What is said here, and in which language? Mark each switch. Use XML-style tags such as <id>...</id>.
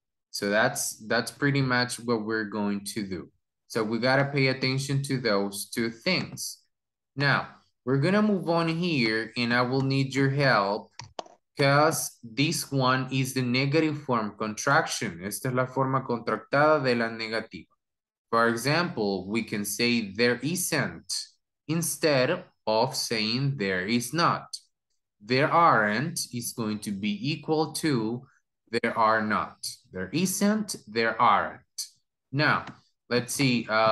<en>So that's pretty much what we're going to do. So we gotta pay attention to those two things. Now, we're gonna move on here, and I will need your help because this one is the negative form, contraction.</en> <es>Esta es la forma contractada de la negativa.</es> <en>For example, we can say there isn't instead of saying there is not. There aren't is going to be equal to there are not. There isn't, there aren't. Now, let's see.</en>